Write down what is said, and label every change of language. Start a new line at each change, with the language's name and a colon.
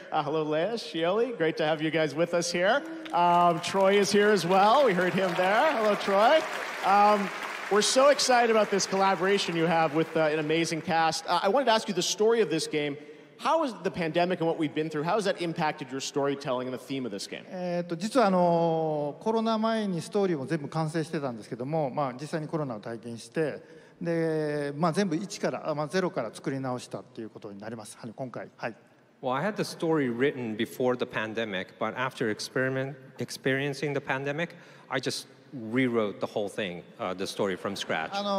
English: Hello, Leia, Shioli. Great to have you guys with us here. Troy is here as well. We heard him there. Hello, Troy. We're so excited about this collaboration you have with an amazing cast. I wanted to ask you the story of this game. How has the pandemic and what we've been through, how has that impacted your storytelling and the theme of this game?
Japanese: 実はコロナ前にストーリーも全部完成してたんですけども、まあ、実際にコロナを体験して、で、まあ、全部1から、まあ、ゼロから作り直したっていうことになります。はい、今回、はい。
English: Well, I had the story written before the pandemic, but after experiencing the pandemic, I just rewrote the whole thing, the story from scratch.